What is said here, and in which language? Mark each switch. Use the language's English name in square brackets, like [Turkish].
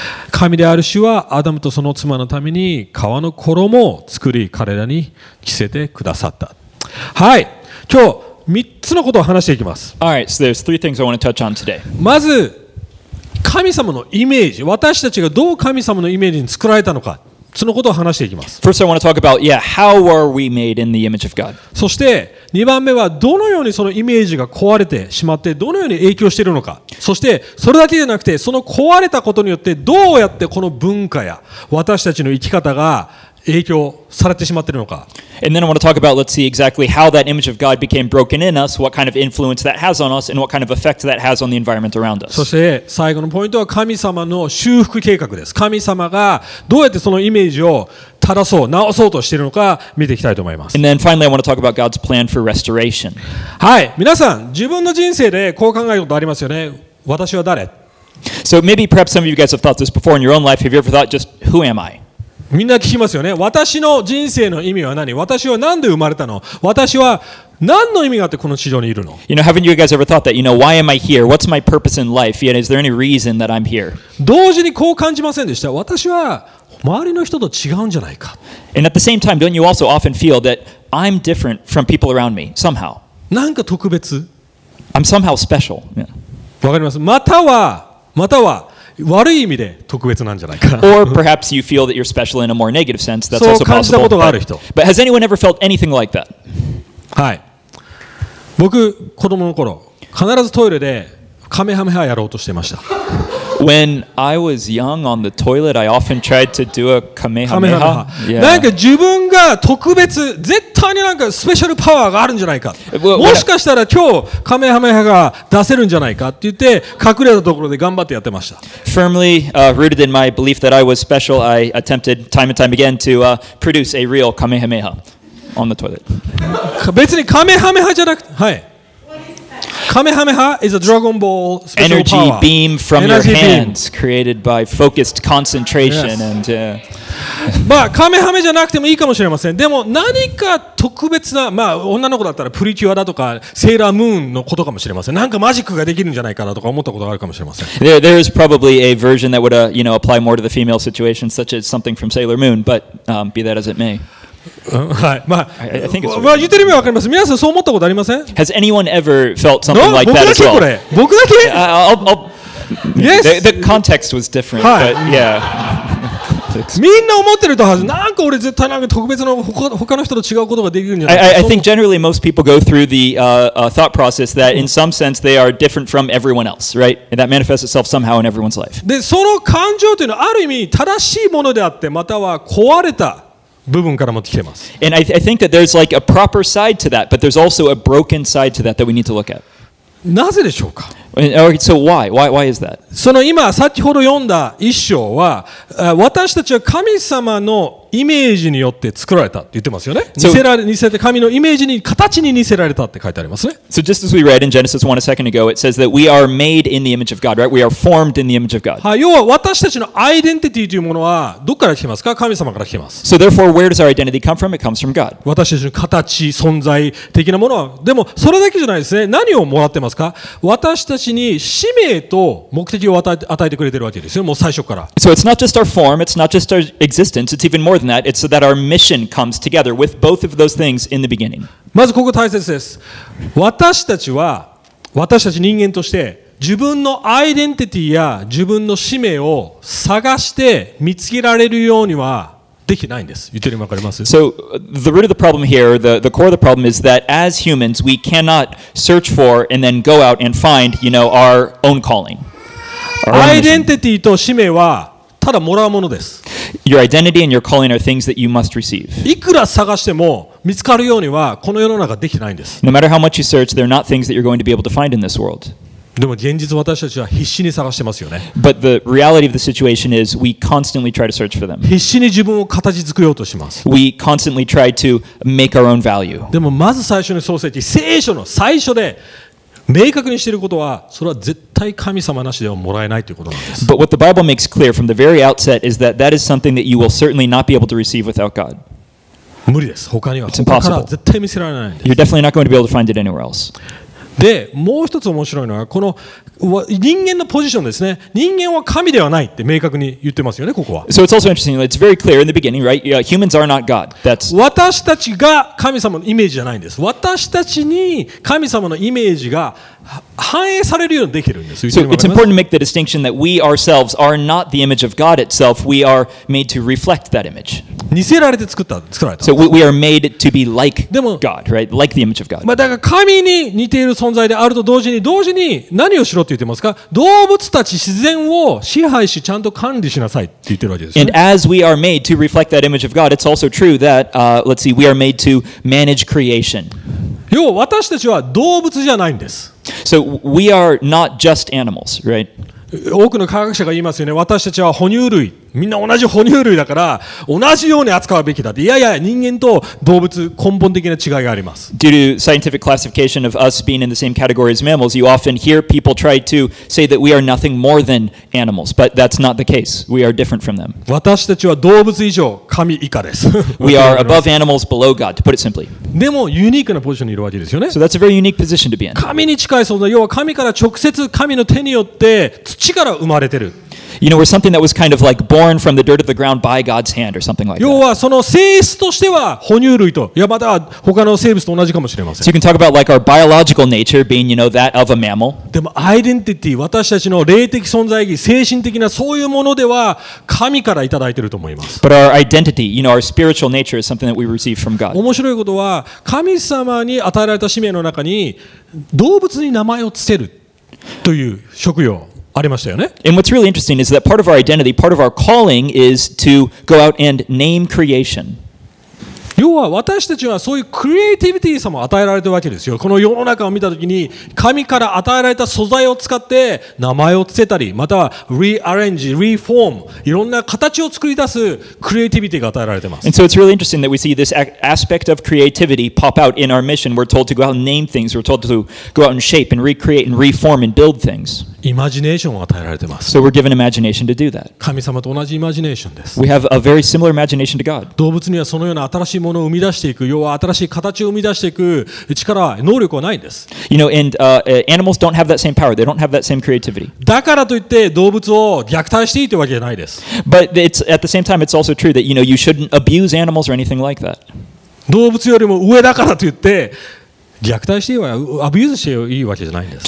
[Japanese] 神である主はアダムとその妻のために皮の衣を作り彼らに着せてくださった。はい。今日3つのことを話していきます。 [English] All right, so there's three things I want to touch on today. [Japanese] まず、神様のイメージ、私たちがどう神様のイメージに作られたのか、そのことを話していきます。 [English] First, I want to talk about, how were we made in the image of God? [Japanese] そして、2番目は、どのようにそのイメージが壊れてしまって、どのように影響しているのか。そして、それだけじゃなくて、その壊れたことによって、どうやってこの文化や私たちの生き方が影響されてしまっているのか。 [English] And then I want to talk about, let's see exactly how that image of God became broken in us, what kind of influence that has on us, and what kind of effect that has on the environment around us. [Japanese] そして最後のポイントは神様の修復計画です。神様がどうやってそのイメージを正そう、直そうとしているのか見ていきたいと思います。 [English] And then finally I want to talk about God's plan for restoration. [Japanese] はい、皆さん、自分の人生でこう考えることありますよね。私は誰？ [English] So maybe perhaps some of you guys have thought this before in your own life. Have you ever thought just who am I? [Japanese] みんな聞きますよね。私の人生の意味は何？私は何で生まれたの？私は何の意味があってこの地上にいるの？ [English] You know, haven't you guys ever thought that? You know, why am I here? What's my purpose in life? Yet, is there any reason that I'm here? [Japanese] 同時にこう感じませんでした。私は周りの人と違うんじゃないか。 [English] And at the same time, don't you also often feel that I'm different from people around me somehow? [Japanese] なんか特別？ [English] I'm somehow special. [Japanese] わかります。または悪い意味で特別なんじゃないかな。 [English] Or perhaps you feel that you're special in a more negative sense. That's also possible. [Japanese] そう感じたことがある人。 [English] But has anyone ever felt anything like that? [Japanese] はい。僕、子供の頃、必ずトイレでカメハメハやろうとしてました。 [English] When I was young on the toilet, I often tried to do a kamehameha. [Japanese] なんか自分が特別、絶対になんかスペシャルパワーがあるんじゃないか。もしかしたら今日カメハメハが出せるんじゃないかって言って隠れたところで頑張ってやってました。 [English] Firmly rooted in my belief that I was special, I attempted time and time again to produce a real kamehameha on the toilet. 別にカメハメハじゃなくて、はい。 Kamehameha is a Dragon Ball special power. Energy beam from your hands created by focused concentration. And, [Japanese] まあ、Kamehameha じゃなくてもいいかもしれません。でも何か特別な、まあ、女の子だったらプリキュアだとか、セーラームーンのことかもしれません。なんかマジックができるんじゃないかなとか思ったことがあるかもしれません。 [English] There is probably a version that would, you know, apply more to the female situation, such as something from Sailor Moon, but, be that as it may. [Japanese] はい、まあ、まあ、言ってる意味わかります。皆さんそう思ったことありません？ [English] Has anyone ever felt something like that as well? [Japanese] 僕だけこれ。僕だけ。 [English] Yes. The context was different. [Japanese] はい。 [English] But yeah. [Japanese] みんな思ってるとはず。なんか俺絶対なんか特別の他の人と違うことができるんじゃないか。 [English] I think generally most people go through the thought process that in some sense they are different from everyone else, right? And that manifests itself somehow in everyone's life. [Japanese] で、その感情というのはある意味正しいものであって、または壊れた。部分からも来てます。 [English] And I think that there's like a proper side to that, but there's also a broken side to that that we need to look at. [Japanese] なぜでしょうか？ [English] So why is that? [Japanese] その今先ほど読んだ一章は、私たちは神様のイメージによって作られたって言ってますよね。似せて神のイメージに形に似せられたって書いてありますね。 [English] So just as we read in Genesis 1 a second ago, it says that we are made in the image of God, right? We are formed in the image of God. [Japanese] はい、要は私たちのアイデンティティというものはどこから来てますか？神様から来てます。 [English] So therefore, where does our identity come from? It comes from God. [Japanese] 私たちの形、存在的なものは、でもそれだけじゃないですね。何をもらってますか？私たちに使命と目的を与えてくれてるわけですよ。もう最初から。 [English] So it's not just our form, it's not just our existence, it's even more than that. It's so that our mission comes together with both of those things in the beginning. [Japanese] まずここ大切です。私たち人間として自分のアイデンティティや自分の使命を探して見つけられるようにはできないんです。言ってるのわかります？ [English] So the root of the problem here, the core of the problem is that as humans, we cannot search for and then go out and find, you know, our own calling. [Japanese] アイデンティティと使命はただもらうものです。 [English] Your identity and your calling are things that you must receive. [Japanese] いくら探しても見つかるようにはこの世の中できないんです。 [English] No matter how much you search, they're not things that you're going to be able to find in this world. [Japanese] でも現実私たちは必死に探してますよね。 [English] But the reality of the situation is we constantly try to search for them. [Japanese] 必死に自分を形作ろうとします。 [English] We constantly try to make our own value. [Japanese] でもまず最初に創世記、聖書の最初で明確にしていることは、それは絶対神様なしではもらえないということなんです。 [English] But what the Bible makes clear from the very outset is that that is something that you will certainly not be able to receive without God. [Japanese] 無理です。他には他から絶対見せられないんです。 [English] You're definitely not going to be able to find it anywhere else. [Japanese] で、もう一つ面白いのはこの人間のポジションですね。人間は神ではないって明確に言ってますよね、ここは。 [English] So it's also interesting. It's very clear in the beginning, right? Yeah, humans are not God. That's [Japanese] 私たちが神様のイメージじゃないんです。私たちに神様のイメージが反映されるようにできるんです。 [English] So it's important to make the distinction that we ourselves are not the image of God itself. We are made to reflect that image. [Japanese] 似せられて作られた。 [English] So we are made to be like God, right? Like the image of God. [Japanese] まあ、だから神に似ている存在であると同時に何をしろって言ってますか？動物たち自然を支配しちゃんと管理しなさいって言ってるわけです、ね。 [English] And as we are made to reflect that image of God, it's also true that, let's see, we are made to manage creation. [Japanese] 要は私たちは動物じゃないんです。 [English] So we are not just animals, right? [Japanese] 多くの科学者が言いますよね。私たちは哺乳類、みんな同じ哺乳類だから同じように扱うべきだって。いやいや、人間と動物根本的な違いがあります。 [English] Due to scientific classification of us being in the same category as mammals, you often hear people try to say that we are nothing more than animals, but that's not the case. We are different from them. [Japanese] 私たちは動物以上、神以下です。 [English] We are above animals, below God, to put it simply. [Japanese] でもユニークなポジションにいるわけですよね。 [English] So that's a very unique position to be in. [Japanese] 神に近い存在、要は神から直接神の手によって土から生まれてる。 [English] You know, we're something that was kind of like born from the dirt of the ground by God's hand or something like that. [Japanese] 要はその性質としては哺乳類と、いやまた他の生物と同じかもしれません。 [English] So you can talk about like our biological nature being, you know, that of a mammal. [Japanese] でもアイデンティティ、私たちの霊的存在意義、精神的なそういうものでは神からいただいていると思います。 [English] But our identity, you know, our spiritual nature is something that we receive from God. [Japanese] 面白いことは神様に与えられた使命の中に動物に名前をつけるという職業。ありましたよね。 [English] And what's really interesting is that part of our identity, part of our calling is to go out and name creation. [Japanese] 要は私たちはそういうクリエイティビティさも与えられてるわけですよ。この世の中を見たときに神から与えられた素材を使って名前をつけたり、またはリアレンジ、リフォーム、いろんな形を作り出すクリエイティビティが与えられてます。 [English] And so it's really interesting that we see this aspect of creativity pop out in our mission. We're told to go out and name things. We're told to go out and shape and recreate and reform and build things. [Japanese] イマジネーションを与えられてます。 [English] So we're given imagination to do that. [Japanese] 神様と同じイマジネーションです。 [English] We have a very similar imagination to God. [Japanese] 動物にはそのような新しいものを生み出していく、要は新しい形を生み出していく力、能力はないんです。 [English] You know, and animals don't have that same power. They don't have that same creativity. [Japanese] だからといって動物を虐待していいというわけじゃないです。 [English] But it's at the same time, it's also true that you know you shouldn't abuse animals or anything like that. [Japanese] 動物よりも上だからといって。虐待していいわ、アビューズしていいわけじゃないんです。